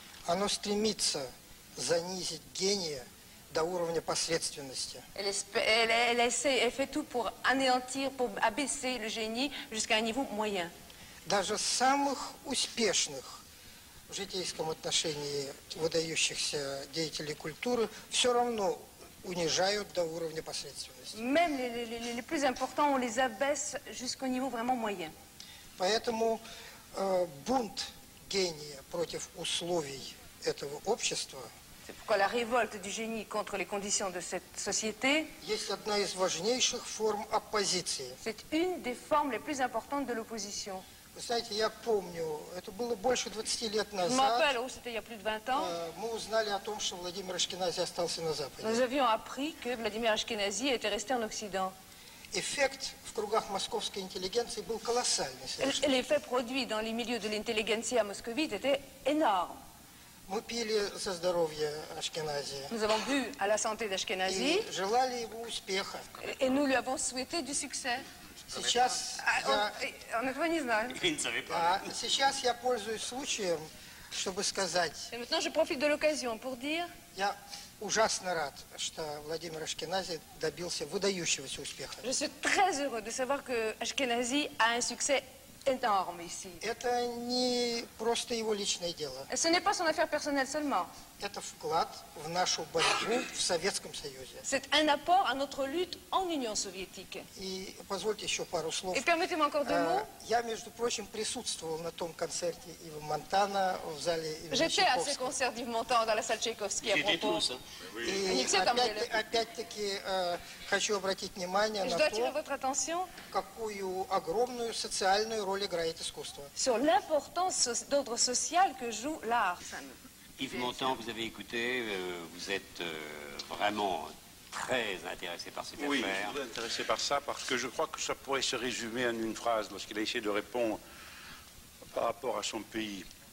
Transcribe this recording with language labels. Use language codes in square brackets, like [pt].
[ru] Оно стремится занизить гения до уровня посредственности. [fr] Elle fait tout pour anéantir, pour abaisser le génie jusqu'à un niveau moyen. [ru] Даже самых успешных в житейском отношении выдающихся деятелей культуры все равно унижают до уровня посредственности. [fr] Même les plus importants, on les abaisse jusqu'au niveau vraiment moyen. [ru] Поэтому бунт гения против условий этого общества. [fr] C'est pourquoi la révolte du génie contre les conditions de cette société est une des [ru] важнейших форм оппозиции. [fr] C'est une des formes les plus importantes de l'opposition. Vous savez, [ru] я помню, это было больше 20 лет назад. [fr] Je me rappelle, c'était il y a plus de 20 ans. [ru] Мы узнали о том, что Владимир Ашкенази остался на Западе. [fr] Nous avions appris que Vladimir Ashkenazi était resté en Occident. [ru] Эффект в кругах московской интеллигенции был колоссальный. [fr] L'effet produit dans les milieux de l'intelligentsia moscovite était énorme. [ru] Мы пили за здоровье Ашкенази. [fr] Nous avons bu à la santé d'Ashkenazi. [ru] Желали ему успеха. [fr] Et nous lui avons souhaité du succès. [ru] Сейчас [fr] on [ru] этого не знает. Сейчас я пользуюсь случаем, чтобы сказать. [fr] Et maintenant je profite de l'occasion pour dire. [ru] Я ужасно рад, что Владимир Ашкенази добился выдающегося успеха. [fr] Je suis très heureux de savoir que Ashkenazi a un succès. [ru] Это не просто его личное дело. [fr] Ce n'est pas son affaire personnelle seulement. [ru] Это вклад в нашу борьбу в Советском Союзе. [fr] C'est un apport à notre lutte en Union soviétique. [ru] И позвольте еще пару слов. [fr] Et permettez-moi encore deux mots. [ru] Я, между прочим, присутствовал на том концерте Ива Монтана в зале имени [fr] J'étais à ce concert d'Yves Montand dans la salle Tchaïkovski. J'étais tous. [ru] И опять-таки хочу обратить внимание на то, [fr] Je dois attirer votre attention. [ru] Какую огромную социальную роль играет искусство. [fr] Sur l'importance d'ordre social que joue l'art. Yves Montand, vous avez écouté, vous êtes vraiment très intéressé par cette oui, affaire. Oui, je suis intéressé par ça parce que je crois que ça pourrait se résumer en une phrase lorsqu'il a essayé de répondre par rapport à son pays.